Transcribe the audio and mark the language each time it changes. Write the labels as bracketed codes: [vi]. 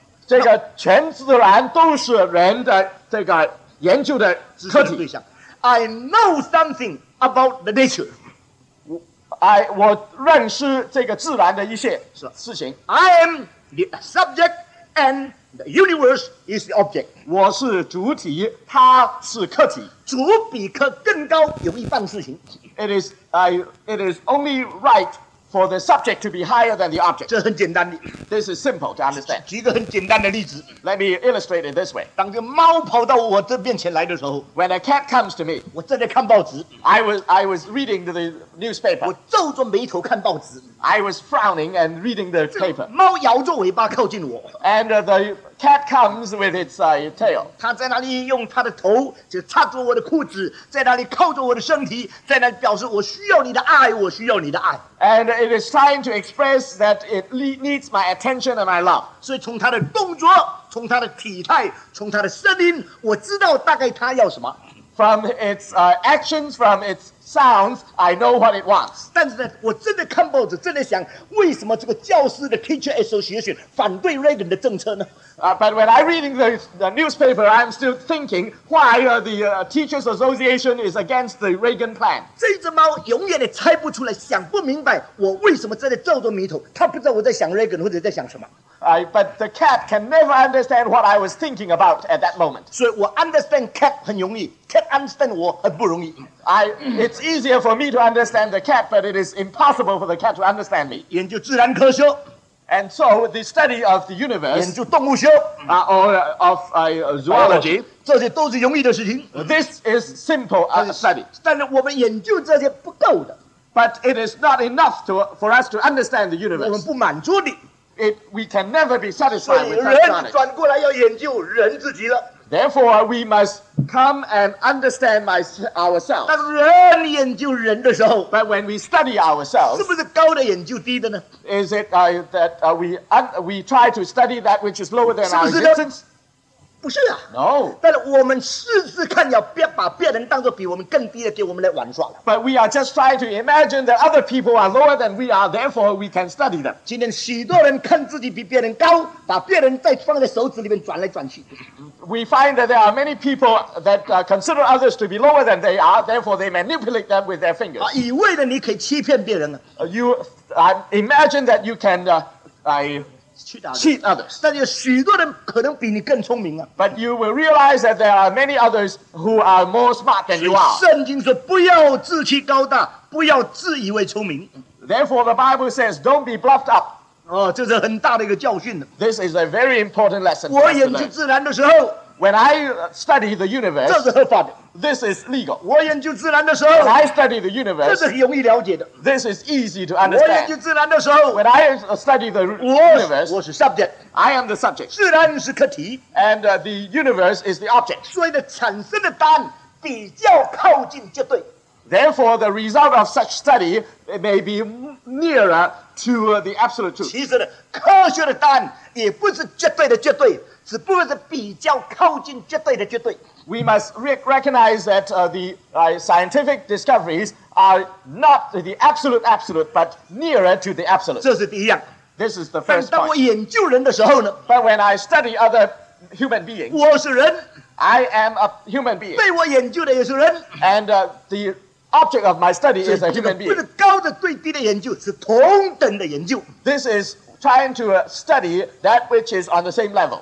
[zh] 这个全自然都是人的这个研究的客体。 [en] I know something about the nature. [zh] 我认识这个自然的一些事情。 [en] I am the subject and the universe is the object. [zh] 我是主体，它是客体。主比客更高，容易办事情。 [en] It is only right for the subject to be higher than the object. [zh] 这很简单的。 [en] This is simple to understand. [zh] 举个很简单的例子。 [en] Let me illustrate it this way. [zh] 当个猫跑到我这面前来的时候 [en] ，When a cat comes to me， [zh] 我正在看报纸。 [en] I was reading the newspaper. [zh] 我皱着眉头看报纸。 [en] I was frowning and reading the paper. [zh] 猫摇着尾巴靠近我。 [en] And the cat comes with its tail. [zh] 它在那里用它的头就插着我的裤子，在那里靠着我的身体，在那里表示我需要你的爱，我需要你的爱。 [en] And it is trying to express that it needs my attention and my love. [zh] 所以从它的动作。从他的体态，从他的声音，我知道大概他要什么。 [en] From its actions, from its sounds, I know what it wants. [zh] 但是呢，我真的看报纸，真的想，为什么这个教师的 Teacher Association 反对 Reagan 的政策呢？ [en] But when I'm reading the newspaper, I'm still thinking why the Teachers Association is against the Reagan plan. [zh] 这只猫永远也猜不出来，想不明白我为什么真的皱着眉头。它不知道我在想 Reagan 或者在想什么。 [en] But the cat can never understand what I was thinking about at that moment. [zh] 所以我 [en] understand cat [zh] 很容易 ， [en] cat understand [zh] 我很不容易。 [en] It's easier for me to understand the cat, but it is impossible for the cat to understand me. [zh] 研究自然科学 [en] ，and so the study of the universe. [zh] 研究动物学 [en] ，or of zoology. [zh] 这些都是容易的事情。 [en] This is simple study. [zh] 但是我们研究这些不够的。 [en] But it is not enough for us to understand the universe. [zh] 我们不满足的。 [en] We can never be satisfied with that knowledge. [zh] 所以人转过来要研究人自己了。 [en] Therefore, we must come and understand ourselves. [zh] 当人研究人的时候 [en] ，But when we study ourselves, [zh] 是不是高的研究低的呢 [en] ？Is it that we try to study that which is lower than our existence? [zh] 不是啊。 [en] No. [zh] 但是我们试试看，要别把别人当作比我们更低的，给我们来玩耍了。 [en] But we are just trying to imagine that other people are lower than we are, therefore we can study them. [zh] 今天许多人看自己比别人高，把别人再放在手指里面转来转去。 [en] We find that there are many people that consider others to be lower than they are, therefore they manipulate them with their fingers. [zh] 以为的你可以欺骗别人啊。 [en] You imagine that you can cheat others. [zh] 但有许多人可能比你更聪明啊。 [en] But you will realize that there are many others who are more smart than you are. [zh] 圣经说不要自欺高大，不要自以为聪明。 [en] Therefore, the Bible says, don't be bluffed up. [zh] 哦，这是很大的一个教训。 [en] This is a very important lesson. [zh] 我研究自然的时候。 [en] When I study the universe, [zh] 这是合法的。 [en] This is legal. [zh] 我研究自然的时候。 [en] When I study the universe, [zh] 这是容易了解的。 [en] This is easy to understand. [zh] 我研究自然的时候。 [en] When I study the universe, [zh] 我是 subject. [en] I am the subject. [zh] 自然是课题。 [en] And the universe is the object. [zh] 所以的产生的答案比较靠近绝对。 [en] Therefore, the result of such study may be nearer to the absolute truth. [zh] 其实呢，科学的答案也不是绝对的绝对。只不过是比较靠近绝对的绝对。 [en] We must recognize that scientific discoveries are not the absolute absolute, but nearer to the absolute. [zh] 这是第一样。 [en] This is the first point. [zh] 但当我研究人的时候呢 [en] ？But when I study other human beings, [zh] 我是人。 [en] I am a human being. [zh] 被我研究的也是人。 [en] And the object of my study is a human being. [zh] 不是高的对低的研究，是同等的研究。 [en] This is. Trying to study that which is on the same level.